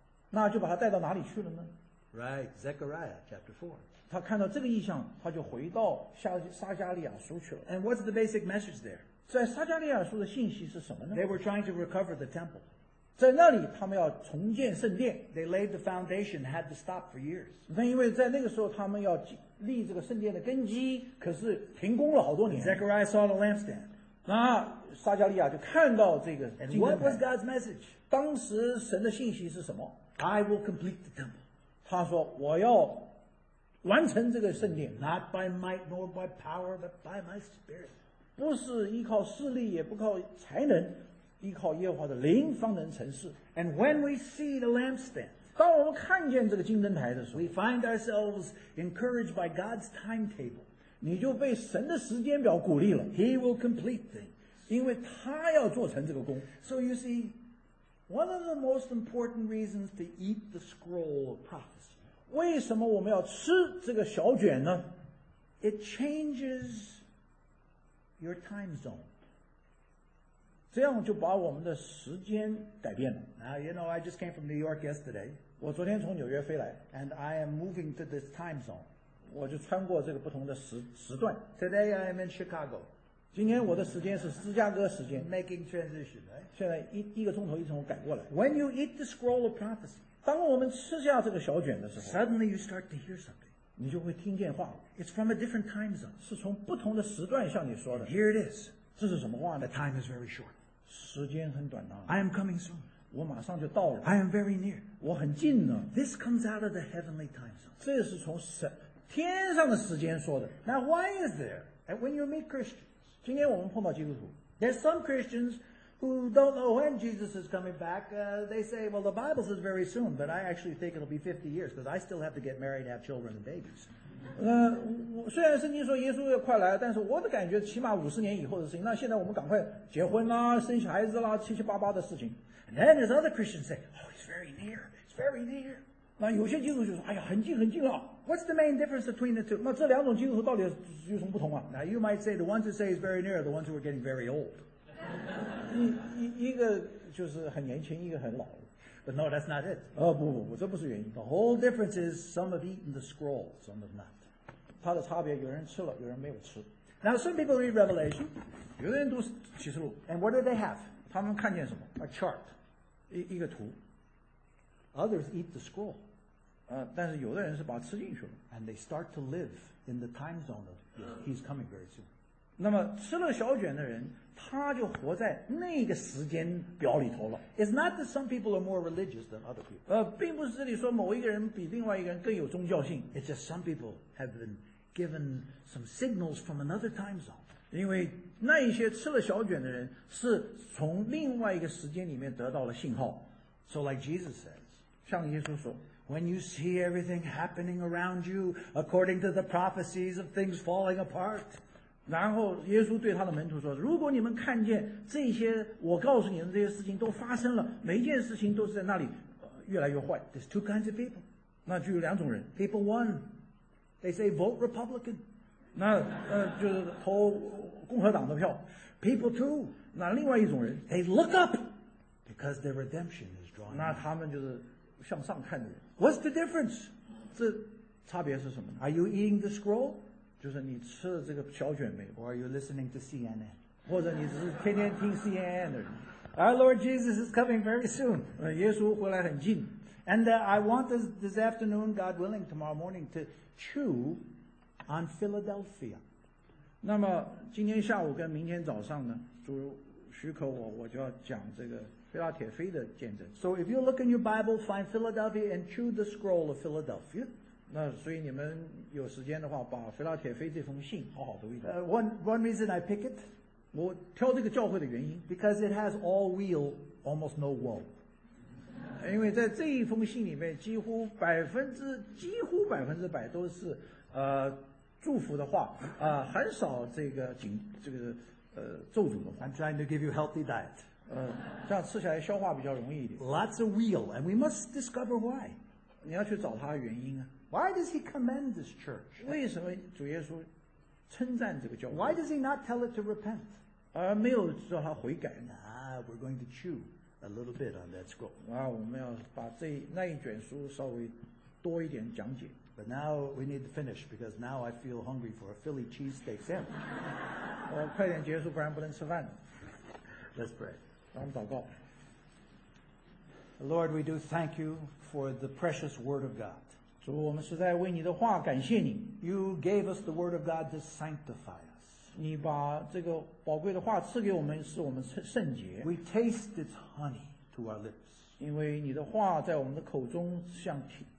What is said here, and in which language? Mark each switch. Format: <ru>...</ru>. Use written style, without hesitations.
<zh>那就把他带到哪里去了呢？</zh> <en>Right, Zechariah chapter 4.</en> <zh>他看到这个意象，他就回到撒加利亚书去了。</zh> <en>And what's the basic message there?</en> <zh>在撒加利亚书的信息是什么呢？</zh> <en>They were trying to recover the temple.</en> <zh>在那里他们要重建圣殿。</zh> <en>They laid the foundation and had to stop for years.</en> <zh>因为在那个时候他们要立这个圣殿的根基，可是停工了好多年。</zh> <en>Zechariah saw the lampstand.</en> <zh>那撒加利亚就看到这个金灯台。</zh> <en>And what was God's message?</en> <zh>当时神的信息是什么？</zh> <en>I will complete the temple.</en> <zh>他说我要完成这个圣殿。</zh> <en>Not by might nor by power but by my spirit.</en> <zh>不是依靠势力也不靠才能，依靠耶和华的灵方能成事。</zh> <en>And when we see the lampstand,</en> <zh>当我们看见这个金灯台的时候，</zh> <en>we find ourselves encouraged by God's timetable.</en> <zh>你就被神的时间表鼓励了。</zh> <en>He will complete things.</en> <zh>因为他要做成这个工。</zh> <en>So you see, one of the most important reasons to eat the scroll of prophecy,</en> <zh>为什么我们要吃这个小卷呢？</zh> <en>It changes your time zone.</en> <zh>这样就把我们的时间改变了。</zh> <en>Now, you know, I just came from New York yesterday.</en> <zh>我昨天从纽约飞来。</zh> <en>And I am moving to this time zone.</en> <zh>我就穿过这个不同的时段。</zh> <en>Today I am in Chicago.</en> <zh>今天我的时间是芝加哥时间。</zh> <en>Making transition, right?</en> <zh>现在一个钟头一钟头改过来。</zh> <en>When you eat the scroll of prophecy,</en> <zh>当我们吃下这个小卷的时候，</zh> <en>suddenly you start to hear something.</en> <zh>你就会听见话。</zh> <en>It's from a different time zone.</en> <zh>是从不同的时段向你说的。</zh> <en>Here it is.</en> <zh>这是什么话呢？</zh> <en>The time is very short.</en> <zh>时间很短啊。</zh> <en>I am coming soon.</en> <zh>我马上就到了。</zh> <en>I am very near.</en> <zh>我很近了。</zh> <en>This comes out of the heavenly time zone.</en> <zh>这是从天上的时间说的。</zh> <en>Now why is there? And when you meet Christians,</en> <zh>今天我们碰到基督徒。</zh> <en>There's some Christians who don't know when Jesus is coming back. They say, well, the Bible says very soon, but I actually think it'll be 50 years because I still have to get married and have children and babies.</en> <zh>虽然圣经说耶稣要快来了，但是我的感觉起码五十年以后的事情。那现在我们赶快结婚啦，生小孩子啦，七七八八的事情。</zh> <en>And then there's other Christians say, oh, it's very near, it's very near.</en> <zh>那有些基督徒就说，哎呀，很近很近了。</zh> <en>What's the main difference between the two?</en> <zh>那这两种基督徒到底有什么不同啊？</zh> <en>Now you might say the ones who say it's very near are the ones who are getting very old.</en> <zh>一个就是很年轻，一个很老。</zh> <en>But no, that's not it.</en> <zh>不，这不是原因。</zh> <en>The whole difference is some have eaten the scroll, some have not.</en> <zh>它的差别，有人吃了，有人没有吃。</zh> <en>Now some people read Revelation,</en> <zh>有的人读启示录。</zh> <en>And what do they have?</en> <zh>他们看见什么</zh> <en>？A chart,</en> <zh>一个图。</zh> <en>Others eat the scroll,</en> <zh>但是有的人是把它吃进去了。</zh> <en>And they start to live in the time zone of He's coming very soon.</en> <zh>那么吃了小卷的人，他就活在那个时间表里头了。</zh> <en>It's not that some people are more religious than other people.</en> <zh>并不是这里说某一个人比另外一个人更有宗教性。</zh> <en>It's just some people have been given some signals from another time zone.</en> <zh>因为那一些吃了小卷的人是从另外一个时间里面得到了信号。</zh> <en>So like Jesus says,</en> <zh>像耶稣说，</zh> <en>when you see everything happening around you according to the prophecies of things falling apart,</en> <zh>然后耶稣对他的门徒说，如果你们看见这些我告诉你们这些事情都发生了，每一件事情都是在那里越来越坏。</zh> <en>There's two kinds of people.</en> <zh>那就有两种人。</zh> <en>People one, they say vote Republican.</en> <zh>那就是投共和党的票。</zh> <en>People two,</en> <zh>那另外一种人，</zh> <en>they look up because their redemption is drawn.</en> <zh>那他们就是向上看的人。</zh> <en>What's the difference?</en> <zh>这差别是什么呢？</zh> <en>Are you eating the scroll?</en> <zh>就是你吃了这个小卷没有？</zh> <en>Or are you listening to CNN?</en> <zh>或者你只是天天听 CNN 的人？</zh> <en>Our Lord Jesus is coming very soon.</en> <zh>耶稣回来很近。</zh> <en>And I want this afternoon, God willing, tomorrow morning, to chew on Philadelphia.</en> <zh>那么今天下午跟明天早上呢，主许可我就要讲这个腓拉铁菲的见证。</zh> <en>So if you look in your Bible, find Philadelphia and chew the scroll of Philadelphia.</en> <zh>那所以你们有时间的话，把腓拉铁菲这封信好好读一读。</zh> <en>One reason I pick it,</en> <zh>我挑这个教会的原因</zh> <en>，because it has all weal, almost no woe.</en> <zh>因为在这一封信里面，几乎百分之百都是祝福的话，很少这个警这个咒诅的话。</zh> <en>I'm trying to give you a healthy diet.</en> <zh>这样吃起来消化比较容易一点。</zh> <en>Lots of wheel, and we must discover why.</en> <zh>你要去找他的原因啊。</zh> <en>Why does he commend this church?</en> <zh>为什么主耶稣称赞这个教会</zh> <en>？Why does he not tell it to repent?</en> <zh>而没有叫他悔改呢</zh> <en>？We're going to chew a little bit on that scroll.</en> <zh>我们要把这那一卷书稍微多一点讲解。</zh> <en>But now we need to finish because now I feel hungry for a Philly cheesesteak sandwich.</en> <zh>快点结束，不然不能吃饭。</zh> <en>Let's pray.</en> <zh>让我们祷告。</zh> <en>Lord, we do thank you for the precious Word of God.</en> <zh>主，我们实在为你的话感谢你。</zh> <en>You gave us the Word of God to sanctify us.</en> <zh>你把这个宝贵的话赐给我们，使我们圣洁。</zh> <en>We taste its honey to our lips.</en> <zh>因为你的话在我们的口中像甜。</zh>